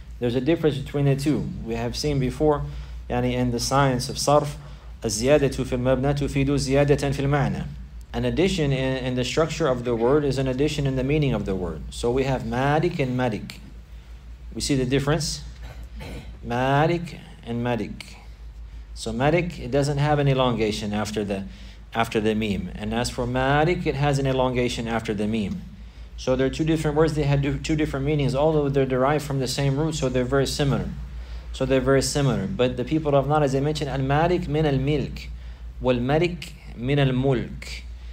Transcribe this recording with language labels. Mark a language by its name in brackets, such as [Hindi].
[English] There's a difference between the two. We have seen before, yani in the science of sarf, [Arabic] الزيادةُ في المبنى تفيدُ زيادةً في المعنى. [English] An addition in the structure of the word is an addition in the meaning of the word. So we have مالك and مالك. We see the difference. مالك and مالك. So مالك, it doesn't have an elongation after the meme. And as for مالك, it has an elongation after the meme. So they're two different words, they had two different meanings, although they're derived from the same root, so they're very similar. So they're very similar. But the people of Nar, as I mentioned, [Arabic] Al-Malik min al-Milk, wal-Malik min al-Mulk.